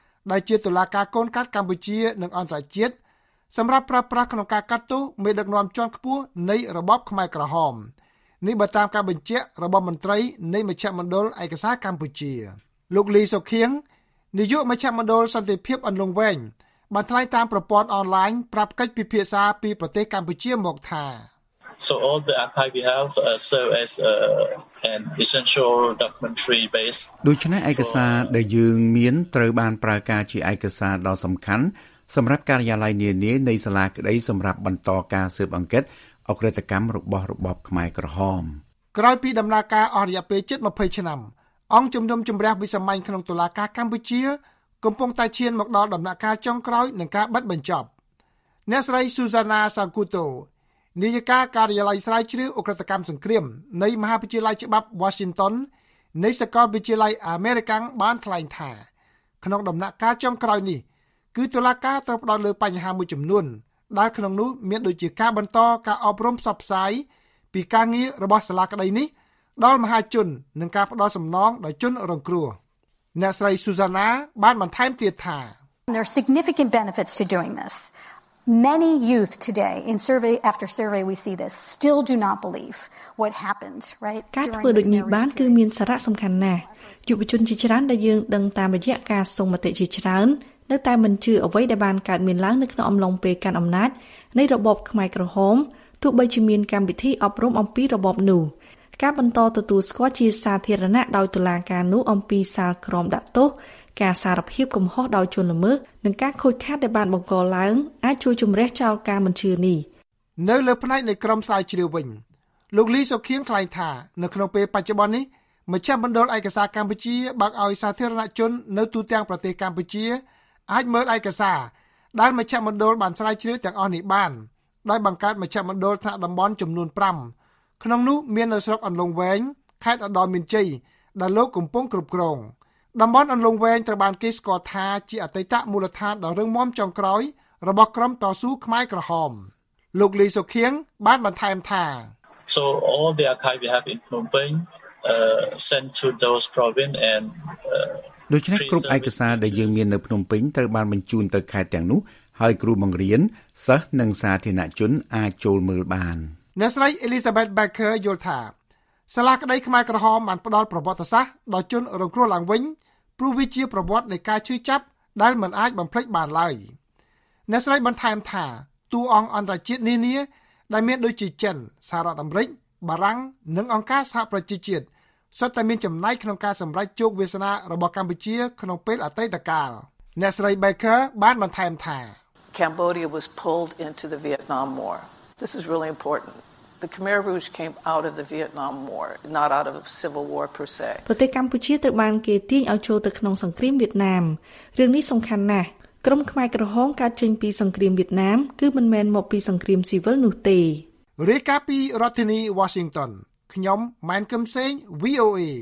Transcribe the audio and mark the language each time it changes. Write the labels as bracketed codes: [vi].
[km] ដែលជាតុលាការកូនកាត់កម្ពុជានិងអន្តរជាតិសម្រាប់ប្រើប្រាស់ក្នុងការកាត់ទោសមេដឹកនាំជាន់ខ្ពស់នៃរបបខ្មែរក្រហមនេះបើតាមការបញ្ជាក់របស់មន្ត្រីនៃមជ្ឈមណ្ឌលឯកសារកម្ពុជាលោកលីសុខៀងនាយកមជ្ឈមណ្ឌលសន្តិភាពអន្លង់វែងបានថ្លែងតាមប្រព័ន្ធអនឡាញប្រាប់កិច្ចពិភាក្សាពីប្រទេសកម្ពុជាមកថា [en] So all the archive we have serve as an essential documentary base. [km] ដូច្នេះឯកសារដែលយើងមានត្រូវបានប្រើការជាឯកសារដ៏សំខាន់សម្រាប់ការិយាល័យនានានៃសាលាក្តីសម្រាប់បន្តការស៊ើបអង្កេតអក្រិតកម្មរបស់របបខ្មែរក្រហម ក្រោយពីដំណើរការអស់រយៈពេលជិត20ឆ្នាំអង្គជំនុំជម្រះវិសាមញ្ញក្នុងតុលាការកម្ពុជាកំពុងតែឈានមកដល់ដំណាក់កាលចុងក្រោយនៃការបិទបញ្ចប់ អ្នកស្រី Susanna Sakuto នាយិកាការិយាល័យស្រាវជ្រាវអូក្រិដ្ឋកម្មសង្គ្រាមនៃមហាវិទ្យាល័យច្បាប់ Washington នៃសាកលវិទ្យាល័យ American បានថ្លែងថាក្នុងដំណាក់កាលចុងក្រោយនេះគឺតុលាការត្រូវផ្តោតលើបញ្ហាមួយចំនួនដែលក្នុងនោះមានដូចជាការបន្តការអប់រំផ្សព្វផ្សាយពីការងាររបស់សាលាក្តីនេះដល់មហាជននិងការផ្តល់សំណងដល់ជនរងគ្រោះអ្នកស្រី Susanna បានបន្ថែមទៀតថា [en] There are significant benefits to doing this. Many youth today in survey after survey we see this still do not believe what happened, right? [km] ការធ្វើដូចនេះបានគឺមានសារៈសំខាន់ណាស់យុវជនជាច្រើនដែលយើងដឹងតាមរយៈការសុំមតិជាច្រើននៅតែមិនជឿអ្វីដែលបានកើតមានឡើងនៅក្នុងអំឡុងពេលកាន់អំណាចនៃរបបខ្មែរក្រហមទោះបីជាមានកម្មវិធីអប់រំអំពីរបបនោះការបន្តទទួលស្គាល់ជាសាធារណៈដោយតុលាការនោះអំពីសាលក្រមដាក់ទោសការសារភាពកំហុសដោយជនល្មើសនិងការខូចខាតដែលបានបង្កឡើងអាចជួយជំរះចោលការមិនជឿនេះ នៅលើផ្នែកនៃក្រមស្រាវជ្រាវវិញលោកលីសុខៀងថ្លែងថានៅក្នុងពេលបច្ចុប្បន្ននេះមជ្ឈមណ្ឌលឯកសារកម្ពុជាបើកឲ្យសាធារណជននៅទូទាំងប្រទេសកម្ពុជា អាចមើលឯកសារដែលមជ្ឈមណ្ឌលបានស្រាវជ្រាវទាំងអស់នេះបានដោយបង្កើតមជ្ឈមណ្ឌលថ្នាក់តំបន់ចំនួន5ក្នុងនោះមាននៅស្រុកអន្លង់វែងខេត្តឧត្តរមានជ័យដែលលោកកំពុងគ្រប់គ្រងតំបន់អន្លង់វែងត្រូវបានគេស្គាល់ថាជាអតីតមូលដ្ឋានដ៏រឹងមាំចុងក្រោយរបស់ក្រុមតស៊ូខ្មែរក្រហមលោកលីសុខៀងបានបន្ថែមថា [en] So all the archive we have in Phnom Penh sent to those province and [km] ដូច្នេះគ្រប់ឯកសារដែលយើងមាននៅភ្នំពេញត្រូវបានបញ្ជូនទៅខេត្តទាំងនោះហើយគ្រូបង្រៀនសិស្សនិងសាធារណជនអាចចូលមើលបាន អ្នកស្រី Elizabeth Becker យល់ថាសាលាក្តីខ្មែរក្រហមបានផ្ដល់ប្រវត្តិសាស្ត្រដល់ជនរងគ្រោះឡើងវិញព្រោះវាជាប្រវត្តិនៃការឈឺចាប់ដែលមិនអាចបំភ្លេចបានឡើយអ្នកស្រីបន្ថែមថាតួអង្គអន្តរជាតិនានាដែលមានដូចជាចិនសហរដ្ឋអាមេរិកបារាំងនិងអង្គការសហប្រជាជាតិសុទ្ធតែមានចំណែកក្នុងការសម្រេចជោគវាសនារបស់កម្ពុជាក្នុងពេលអតីតកាលអ្នកស្រី Becker បានបន្ថែមថា [en] Cambodia was pulled into the Vietnam War. This is really important. The Khmer Rouge came out of the Vietnam War, not out of a civil war per se. [km] ប្រទេសកម្ពុជាត្រូវបានគេទាញឲ្យចូលទៅក្នុងសង្គ្រាមវៀតណាមរឿងនេះសំខាន់ណាស់ក្រុមខ្មែរក្រហមកើតចេញពីសង្គ្រាមវៀតណាមគឺមិនមែនមកពីសង្គ្រាមស៊ីវិលនោះទេ រាជការពីរដ្ឋធានី Washington ខ្ញុំម៉ែនកឹមសេង VOA